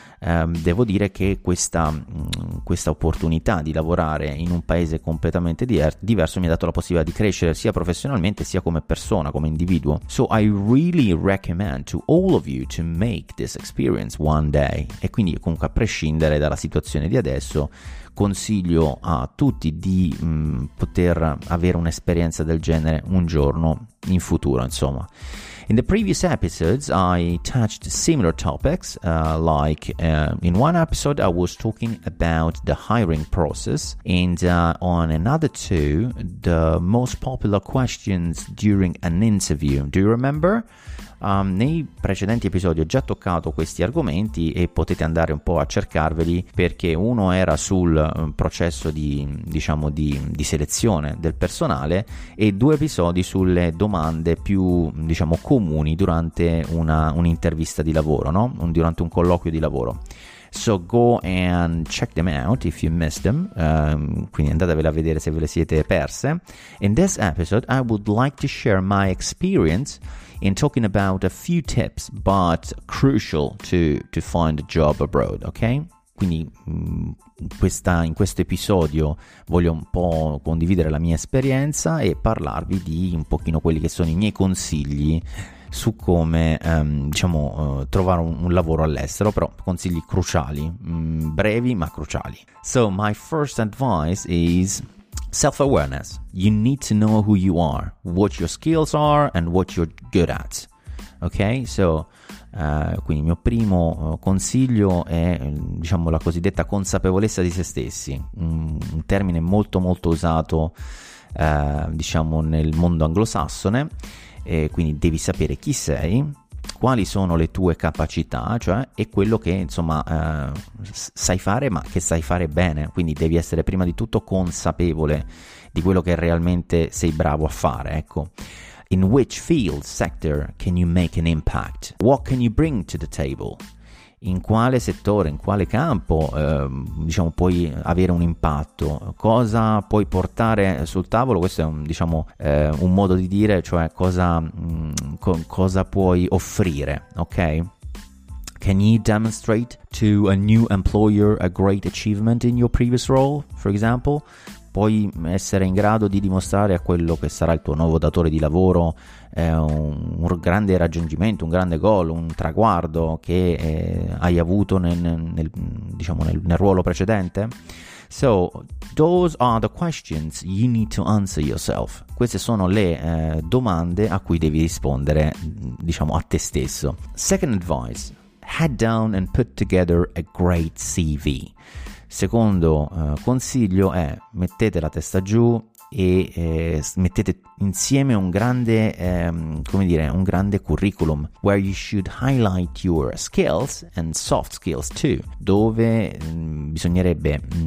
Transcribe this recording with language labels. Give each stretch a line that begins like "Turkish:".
Italian: Devo dire che questa opportunità di lavorare in un paese completamente diverso mi ha dato la possibilità di crescere sia professionalmente sia come persona, come individuo.
English: So I really recommend to all of you to make this experience one day.
Italian: E quindi, comunque, a prescindere dalla situazione di adesso, consiglio a tutti di poter avere un'esperienza del genere un giorno in futuro, insomma.
English: In the previous episodes, I touched similar topics, like in one episode I was talking about the hiring process, and on another two, the most popular questions during an interview. Do you remember?
Italian: Nei precedenti episodi ho già toccato questi argomenti e potete andare un po' a cercarveli, perché uno era sul processo di, diciamo, di selezione del personale, e 2 episodi sulle domande più, diciamo, comuni durante un'intervista di lavoro, no? Durante un colloquio di lavoro.
English: So go and check them out if you missed them.
Italian: Quindi andatevela a vedere se ve le siete perse.
English: In this episode, I would like to share my experience in talking about a few tips, but crucial to find a job abroad, okay?
Italian: Quindi in questo episodio voglio un po' condividere la mia esperienza e parlarvi di un pochino quelli che sono i miei consigli su come trovare un lavoro all'estero, però consigli cruciali, brevi ma cruciali.
English: So my first advice is self-awareness. You need to know who you are, what your skills are and what you're good at.
Italian: Ok, so quindi il mio primo consiglio è la cosiddetta consapevolezza di se stessi, un termine molto molto usato nel mondo anglosassone. E quindi devi sapere chi sei, quali sono le tue capacità, cioè e quello che sai fare, ma che sai fare bene. Quindi devi essere prima di tutto consapevole di quello che realmente sei bravo a fare, ecco.
English: In which field, sector can you make an impact? What can you bring to the table?
Italian: In quale settore, in quale campo puoi avere un impatto? Cosa puoi portare sul tavolo? Questo è un modo di dire, cioè cosa puoi offrire, ok?
English: Can you demonstrate to a new employer a great achievement in your previous role, for example?
Italian: Puoi essere in grado di dimostrare a quello che sarà il tuo nuovo datore di lavoro un grande raggiungimento, un grande goal, un traguardo che hai avuto nel ruolo precedente?
English: So, those are the questions you need to answer yourself.
Italian: Queste sono le domande a cui devi rispondere, a te stesso.
English: Second advice, head down and put together a great CV.
Italian: Secondo consiglio è mettete la testa giù e mettete insieme un grande un grande curriculum,
English: where you should highlight your skills and soft skills too,
Italian: dove bisognerebbe